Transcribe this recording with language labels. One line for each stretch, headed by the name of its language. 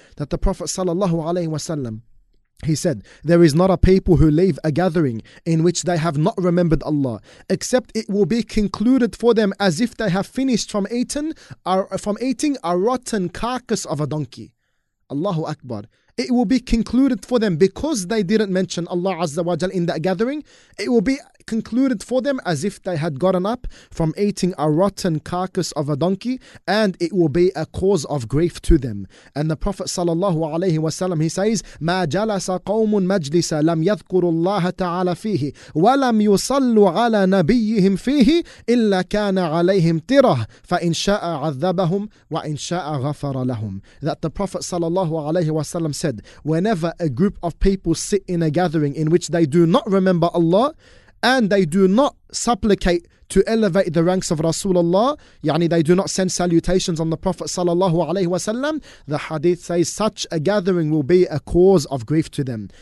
English: That the Prophet sallallahu alaihi wasallam, he said, there is not a people who leave a gathering in which they have not remembered Allah, except it will be concluded for them as if they have finished from eating a rotten carcass of a donkey. Allahu Akbar. It will be concluded for them, because they didn't mention Allah Azza wa Jal in that gathering, it will be concluded for them as if they had gotten up from eating a rotten carcass of a donkey, and it will be a cause of grief to them. And the Prophet sallallahu alayhi wa sallam, he says,
Arabic: ما جلس قوم مجلس لم يذكر الله تعالى فيه ولم يصلوا على نبيهم فيه إلا كان عليهم تره فإن شاء عذبهم وإن شاء غفر لهم.
English: That the Prophet sallallahu alayhi wa sallam said, whenever a group of people sit in a gathering in which they do not remember Allah, and they do not supplicate to elevate the ranks of Rasulullah, yani they do not send salutations on the Prophet sallallahu alaihi wasallam, the hadith says such a gathering will be a cause of grief to them.